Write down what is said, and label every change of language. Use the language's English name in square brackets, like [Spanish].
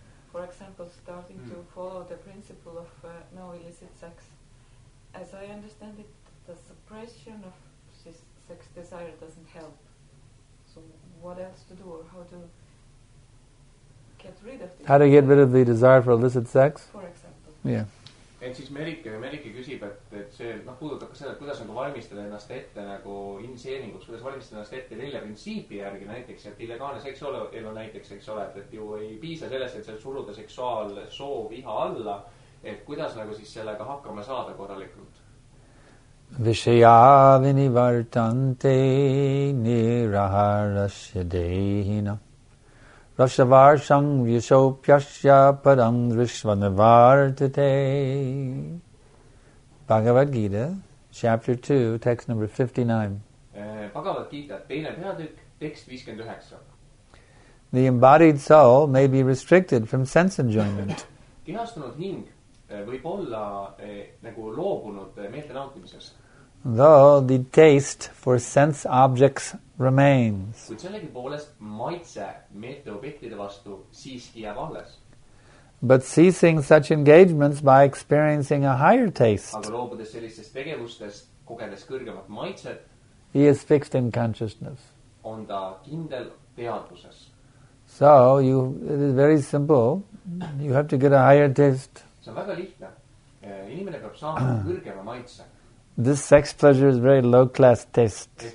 [English] For example, starting to follow the principle of no illicit sex. As I understand it, the suppression of this sex desire doesn't help. So what else to do, or how to get rid of this? How to get rid of the desire for illicit sex? For example. Yeah. [Estonian] Et siis Merike küsib, et see puudutab ka seda, et kuidas on valmistada ennast ette nagu inseeringuks, kuidas valmistada ennast ette nelja printsiipi järgi näiteks, et illegaalne seksuaalelu näiteks eks ole, et ju ei piisa sellest, et seal suruda seksuaal soov iha alla, et kuidas nagu siis sellega hakkama saada korralikult. [Sanskrit] Vishaya vinivartante niraharasya dehina Rashavarsham Vyashopyasya Param Rishvanavartate. [English] Bhagavad Gita, chapter 2, text number 59. [Estonian] Bhagavad Gita, teine peatükk, tekst 59. [English] The embodied soul may be restricted from sense enjoyment. [Estonian] Kehastunud hing võib olla nagu loobunud meelte nautimisest. [English] Though the taste for sense objects remains. [Estonian] Kuid sellegi poolest maitse meelte objektide vastu siiski jääb alles. [English] But ceasing such engagements by experiencing a higher taste. [Estonian] Aga loobudes sellistest tegevustest kogedes kõrgemat maitset. [English] He is fixed in consciousness. [Estonian] On ta kindel teadvuses. [English] So, it is very simple. You have to get a higher taste. [Estonian] See on väga lihtne. Inimene peab saama kõrgema maitse. [English] This sex pleasure is very low class taste.